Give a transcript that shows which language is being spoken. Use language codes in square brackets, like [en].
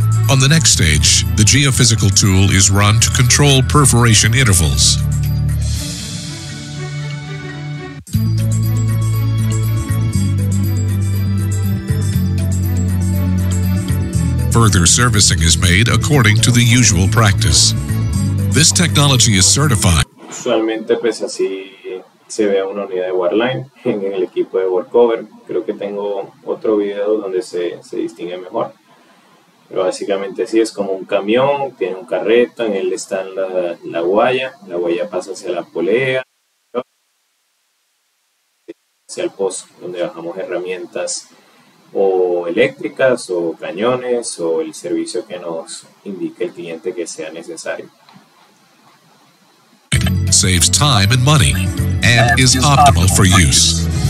[en] On the next stage, the geophysical tool is run to control perforation intervals. Further servicing is made according to the usual practice. This technology is certified. [es] Usualmente, pues así se ve a una unidad de Warline en el equipo de workover. Creo que tengo otro video donde se distingue mejor. Pero básicamente sí, es como un camión, tiene un carreto, en él está la guaya, la guaya pasa hacia la polea, hacia el pozo, donde bajamos herramientas o eléctricas o cañones o el servicio que nos indique el cliente que sea necesario. [en] Saves time and money and is optimal for use.